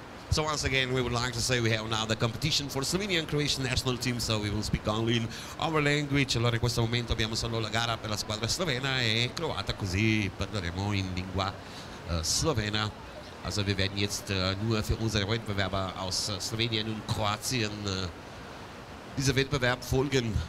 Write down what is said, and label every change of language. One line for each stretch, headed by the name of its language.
English: So once again, we would like to say we have now the competition for Slovenia and Croatian national team. So we will speak only in our language.
Italian: Allora in questo momento abbiamo solo la gara per la squadra slovena e croata, così parleremo in lingua slovena.
German: Also wir werden jetzt nur für unsere Wettbewerber aus Slowenien und Kroatien dieser Wettbewerb folgen.